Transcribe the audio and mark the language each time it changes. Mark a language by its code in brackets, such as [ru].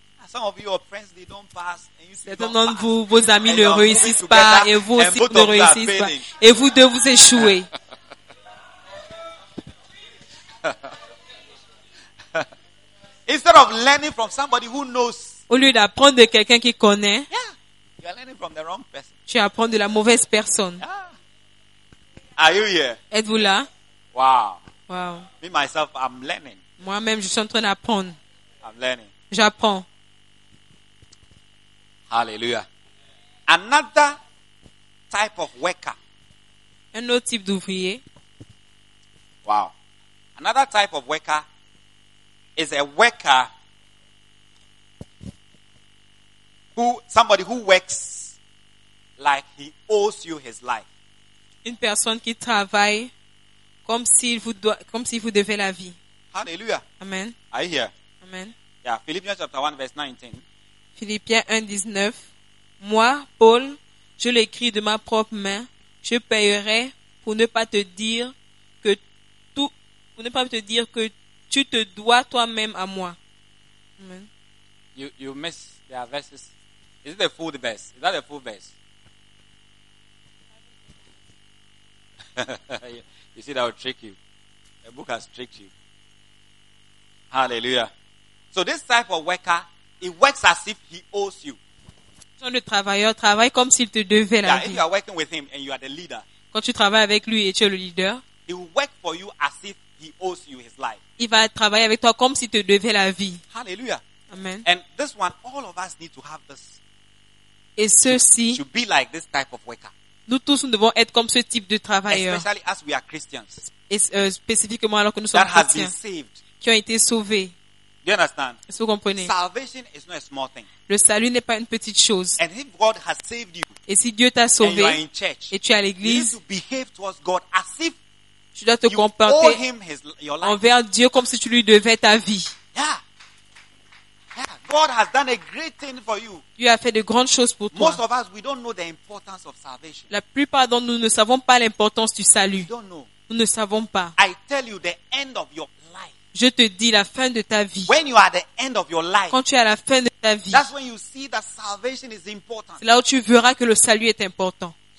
[en] Some of you, your friends, they don't pass, and you say, [fr] certains d'entre vous, vos amis ne réussissent pas et vous aussi ne réussissez pas. Et vous deux, vous échouez. [en] Instead of learning from somebody who knows, [fr] au lieu d'apprendre de quelqu'un qui connaît, [en] yeah, you are learning from the wrong person. [fr] Tu apprends de la mauvaise personne. [en] Yeah. Are you here? [fr] Êtes-vous là? Wow. Wow. [en] Me, myself, I'm learning. [fr] Moi-même, je suis en train d'apprendre. [en] I'm learning. [fr] J'apprends. [en] Hallelujah. Another type of worker. [fr] Un autre type d'ouvrier. Wow. [en] Another type of worker is a worker who somebody who works like he owes you his life. [fr] Une personne qui travaille comme s'il vous doit, comme s'il vous devait la vie. Hallelujah. Amen. [en] Are you here? Amen. Yeah, Philippians chapter 1 verse 19. [fr] Philippiens 1, 19. Moi, Paul, je l'écris de ma propre main. Je paierai pour ne pas te dire que tout, pour ne pas te dire que tu te dois toi-même à moi. Amen. [en] You miss the verses. Is it the full verse? Is that the full verse? You see, that will trick you. The book has tricked you. Hallelujah. So this type of worker. He works as if he owes you. [fr] Quand le travailleur travaille comme s'il te devait la vie. [en] If you are working with him and you are the leader. [fr] Quand tu travailles avec lui et tu es le leader. [en] He will work for you as if he owes you his life. [fr] Il va travailler avec toi comme s'il te devait la vie. Hallelujah. Amen. [en] And this one, all of us need to have this. [fr] Et ceci. [en] Should be like this type of worker. [fr] Nous tous nous devons être comme ce type de travailleur. [en] Especially as we are Christians. [fr] Et spécifiquement alors que nous sommes [en] that [fr] chrétiens. [en] Has been saved. [fr] Qui ont été sauvés. [en] You understand? [fr] Est-ce que vous comprenez? [en] Salvation is not a small thing. [fr] Le salut n'est pas une petite chose. [en] And if God has saved you, [fr] et si Dieu t'a sauvé [en] and you are in church, [fr] et tu es à l'église, [en] you need to behave towards God as if [fr] tu dois te comporter envers Dieu comme si tu lui devais ta vie. Yeah. [en] God has done a great thing for you. [fr] Dieu a fait de grandes choses pour toi. [en] Most of us, we don't know the importance of salvation. [fr] La plupart d'entre nous ne savons pas l'importance du salut. [en] We don't know. [fr] Nous ne savons pas. [en] I tell you the end of your [fr] je te dis la fin de ta vie. [en] When you are at the end of your life, [fr] quand tu es à la fin de ta vie, [en] that's when you see that salvation is important. [fr] C'est là où tu verras que le salut est important.